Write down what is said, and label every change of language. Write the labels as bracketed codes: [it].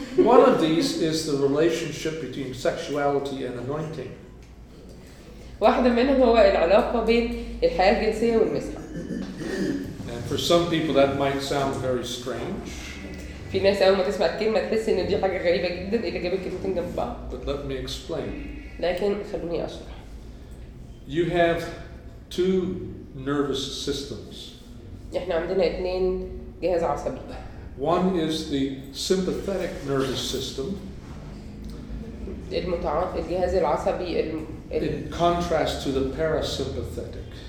[en] One of these is the relationship between sexuality and anointing. [ar] واحدة منهم هو العلاقة بين الحياة الجنسية والمسحة. [en] And for some people that might sound very strange. [ar] في ناس أول ما تسمع الكلمة تحس إن دي حاجة غريبة جدا إذا جابوا الكلمتين جنب بعض. [en] But let me explain. [ar] لكن خلوني أشرح. [en] You have two nervous systems. [ar] إحنا عندنا اتنين جهاز عصبي. [en] One is the sympathetic nervous system. [ar] الجهاز العصبي [en] In contrast to the parasympathetic.